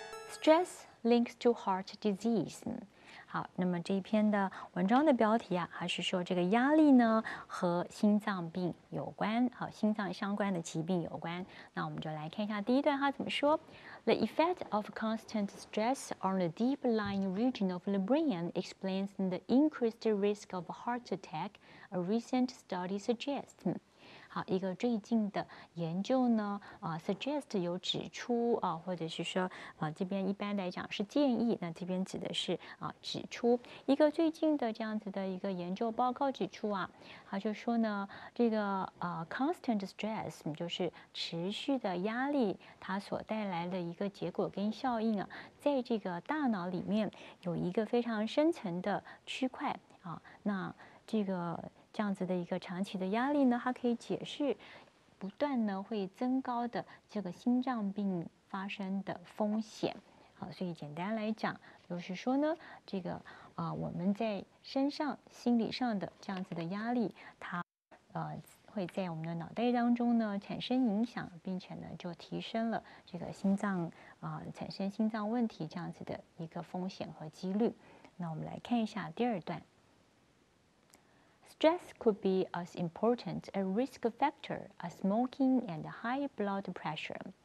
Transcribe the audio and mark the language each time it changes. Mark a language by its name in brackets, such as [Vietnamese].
[English] Stress links to heart disease. [Chinese] 好，那么这一篇的文章的标题啊，还是说这个压力呢和心脏病有关，好，心脏相关的疾病有关。那我们就来看一下第一段它怎么说。 [English] The effect of constant stress on the deep lying region of the brain explains the increased risk of heart attack, a recent study suggests. [Chinese] 好，一个最近的研究呢，suggest 有指出啊，或者是说啊，这边一般来讲是建议，那这边指的是啊，指出一个最近的这样子的一个研究报告指出啊，他就说呢，这个 [English] constant stress [Chinese] 就是持续的压力，它所带来的一个结果跟效应啊，在这个大脑里面有一个非常深层的区块啊，那这个。这样子的一个长期的压力呢，它可以解释不断呢会增高的这个心脏病发生的风险。好，所以简单来讲，就是说呢，这个我们在身上、心理上的这样子的压力，它会在我们的脑袋当中呢产生影响，并且呢就提升了这个心脏产生心脏问题这样子的一个风险和几率。那我们来看一下第二段。 [English] Stress could be as important a risk factor as smoking and high blood pressure.